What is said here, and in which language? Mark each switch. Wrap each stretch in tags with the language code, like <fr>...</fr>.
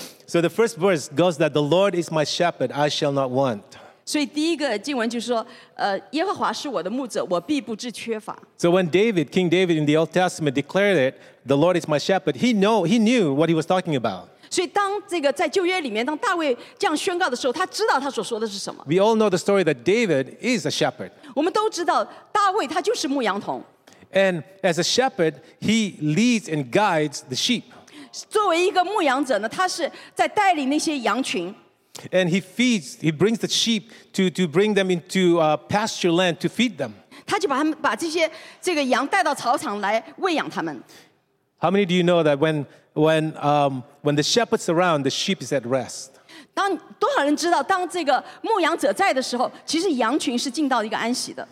<en>So the first verse goes that the Lord is my shepherd, I shall not want.</en> <zh>所以第一个经文就是说，耶和华是我的牧者，我必不致缺乏。</zh> <en>So when David, King David in the Old Testament declared it, the Lord is my shepherd, he knew what he was talking about.</en> <zh>所以当这个在旧约里面，当大卫这样宣告的时候，他知道他所说的是什么。</zh> <en>We all know the story that David is a shepherd.</en> <zh>我们都知道大卫他就是牧羊童。</zh> <en>And as a shepherd, he leads and guides the sheep.</en> <zh>作为一个牧羊者呢，他是在带领那些羊群。</zh> <en>And he feeds, he brings the sheep to bring them into pasture land to feed them.</en> <zh>他就把这个羊带到草场来喂养他们。</zh> <en>How many do you know that when the shepherd's around, the sheep is at rest?</en> <zh>多少人知道，当这个牧羊者在的时候，其实羊群是进到一个安息的。</zh>